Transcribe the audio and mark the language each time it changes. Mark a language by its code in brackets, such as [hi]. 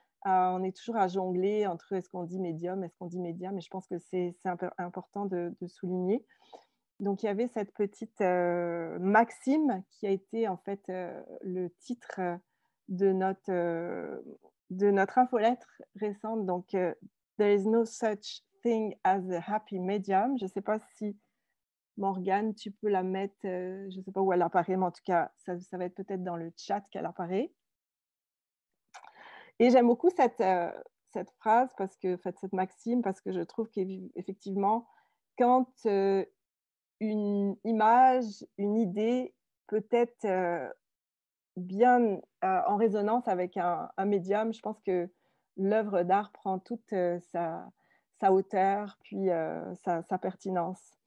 [fr] On est toujours à jongler entre est-ce qu'on dit médium, est-ce qu'on dit média, mais je pense que c'est important de souligner. Donc, il y avait cette petite maxime qui a été en fait le titre de notre infolettre récente. [en] Donc, There is no such thing as a happy medium. [fr] Je ne sais pas si Morgane, tu peux la mettre, je ne sais pas où elle apparaît, mais en tout cas, ça va être peut-être dans le chat qu'elle apparaît. Et j'aime beaucoup cette phrase, parce que, en fait, cette maxime, parce que je trouve qu'effectivement, quand une image, une idée peut être bien en résonance avec un médium, je pense que l'œuvre d'art prend toute sa hauteur, puis sa pertinence.